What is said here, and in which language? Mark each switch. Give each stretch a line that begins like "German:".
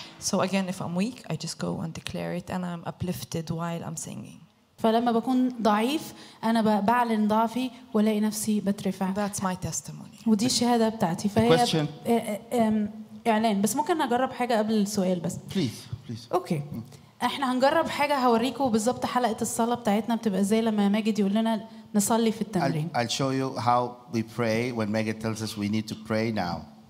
English: So again, if I'm weak, I just go and declare it, and I'm uplifted while I'm singing.
Arabic: فلما بكون ضعيف، أنا بعلن ضعفي ولاقي نفسي بترفع.
English: That's my testimony.
Arabic: ودي الشهادة بتاعتي. فهي
English: question.
Arabic: إعلان. بس ممكن أجرب حاجة قبل السؤال بس.
English: Please. Okay.
Arabic: احنا هنجرب حاجه هوريكم بالظبط حلقه الصلاه بتاعتنا بتبقى ازاي لما ماجد يقول لنا نصلي في التمرين
English: I'll show you how we pray when Maggie tells us we need to pray now